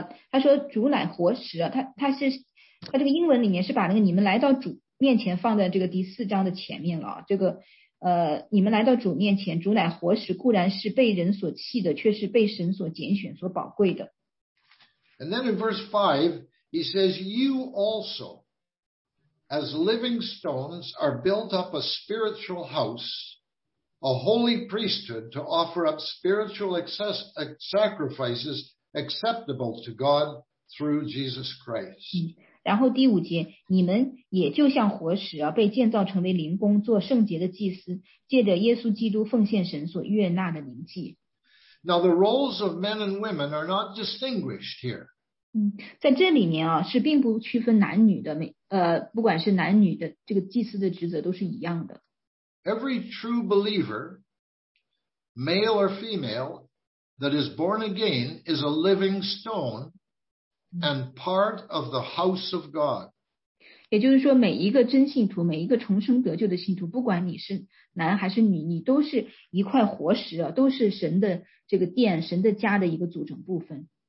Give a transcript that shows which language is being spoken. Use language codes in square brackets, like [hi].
[zh] 他说主乃活石啊，他这个英文里面是把那个你们来到主面前放在这个第四章的前面了，这个你们来到主面前，主乃活石，固然是被人所弃的，却是被神所拣选所宝贵的。 [en] And then in verse 5 he says you also as living stones are built up a spiritual house, a holy priesthood to offer up spiritual sacrifices acceptable to God through Jesus Christ. [zh] 然后第五节，你们也就像活石啊，被建造成为灵宫，做圣洁的祭司，借着耶稣基督奉献神所悦纳的灵祭。 [en] Now the roles of men and women are not distinguished here. [zh] 在这里面啊，是并不区分男女的，不管是男女的，这个祭司的职责都是一样的。 [en] Every true believer, male or female,that is born again is a living stone and part of the house of God. [zh] 也就是说每一个真信徒，每一个重生得救的信徒，不管你是男还是女，你都是一块活石啊，都是神的这个殿，神的家的一个组成部分。